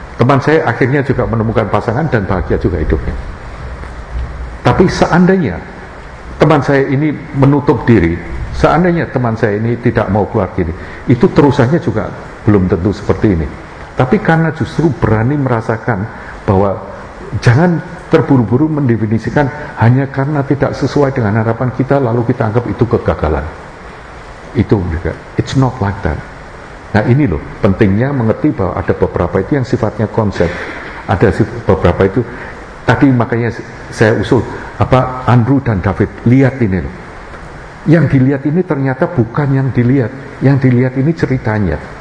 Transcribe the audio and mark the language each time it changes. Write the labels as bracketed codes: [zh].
[id] Teman saya akhirnya juga menemukan pasangan dan bahagia juga hidupnya. Tapi seandainya teman saya ini menutup diri, seandainya teman saya ini tidak mau keluar kiri, itu terusannya juga belum tentu seperti ini. Tapi karena justru berani merasakan bahwa jangan terburu-buru mendefinisikan hanya karena tidak sesuai dengan harapan kita lalu kita anggap itu kegagalan. Itu juga, [en] it's not like that. [id] Nah ini loh, pentingnya mengerti bahwa ada beberapa itu yang sifatnya konsep, ada beberapa itu, tadi makanya saya usul, apa Andrew dan David, lihat ini loh. Yang dilihat ini ternyata bukan yang dilihat ini ceritanya.